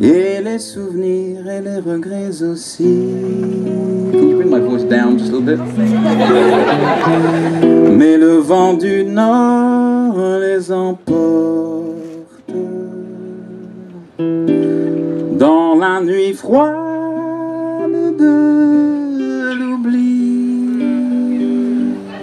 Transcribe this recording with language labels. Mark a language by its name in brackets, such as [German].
[French] Et les souvenirs et les regrets aussi. [English] Can you bring my voice down just a little bit? [French] Mais le vent du nord les emporte dans la nuit froide de l'oubli.